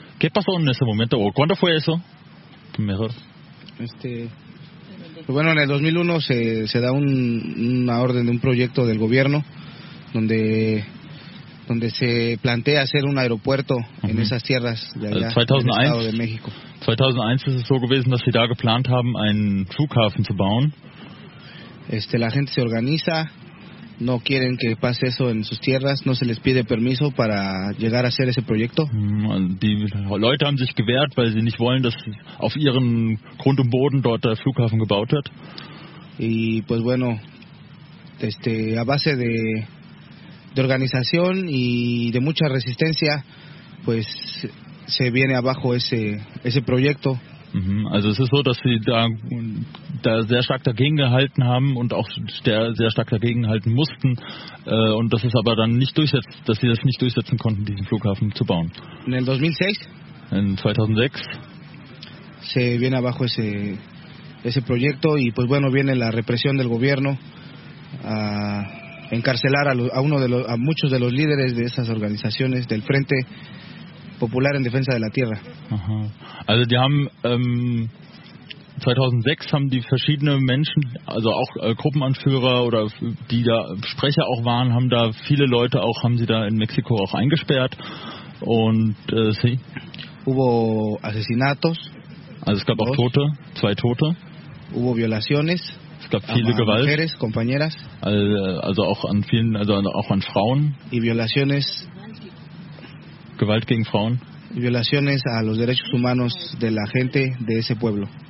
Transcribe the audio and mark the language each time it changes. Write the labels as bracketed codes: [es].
[es] ¿Qué pasó en ese momento o cuándo fue eso? Mejor. Bueno, en el 2001 se da una orden de un proyecto del gobierno donde se plantea hacer un aeropuerto en esas tierras de allá, 2001, del Estado de México. [de] 2001 ist es so gewesen, dass sie da geplant haben, einen Flughafen zu bauen. [es] La gente se organiza, no quieren que pase eso en sus tierras, no se les pide permiso para llegar a hacer ese proyecto. [de] Die Leute haben sich gewehrt, weil sie nicht wollen, dass auf ihren Grund und Boden dort der Flughafen gebaut wird. [es] Y pues bueno, a base de organización y de mucha resistencia, pues se viene abajo ese proyecto. [de] Also es ist so, dass sie da sehr stark dagegen gehalten haben und auch sehr stark dagegen halten mussten, und dass es aber dann nicht durchsetzt, dass sie das nicht durchsetzen konnten, diesen Flughafen zu bauen. [es] En el 2006? [en] In 2006. [es] Se viene abajo ese proyecto y pues bueno, viene la represión del gobierno a encarcelar a muchos de los líderes de esas organizaciones del Frente Popular en Defensa de la Tierra. [de] Also die haben 2006 haben die verschiedenen Menschen, also auch Gruppenanführer oder die da Sprecher auch waren, haben da viele Leute auch, haben sie da in Mexiko auch eingesperrt. Und sie? [es] Hubo asesinatos. [de] Also es gab auch Tote, zwei Tote. [es] Hubo violaciones. [de] Es gab viele Gewalt. [es] Mujeres, compañeras. [de] Also auch an vielen, also auch an Frauen. [es] Y violaciones. [de] Gewalt gegen Frauen. [es] Violaciones a los derechos humanos de la gente de ese pueblo.